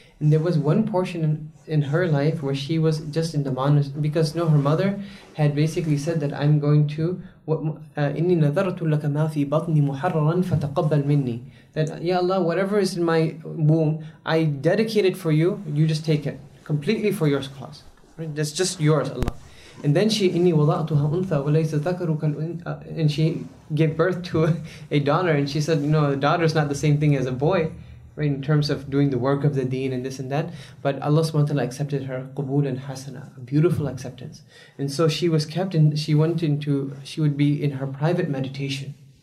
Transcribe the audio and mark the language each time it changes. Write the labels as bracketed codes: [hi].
[en] And there was one portion in her life where she was just in the monastery. Because, you know, her mother had basically said that I'm going to... [ar] إِنِّي نَذَرَتُ لَكَ مَا فِي بَطْنِي مُحَرَّرًا فَتَقَبَّلْ مِنِّي. [en] That, ya Allah, whatever is in my womb, I dedicate it for you, you just take it. Completely for your cause. Right? That's just yours, Allah. And then she, [ar] إِنِّي وَضَعْتُهَا أُنْثَى وَلَيْسَ ذَكَرُكَ الْأُنْثَى. [en] And she gave birth to a daughter, and she said, you know, a daughter is not the same thing as a boy, right, in terms of doing the work of the deen and this and that. But Allah subhanahu wa ta'ala accepted her qubul and hasana, a beautiful acceptance. And so she was kept in, she went into, she would be in her private meditation.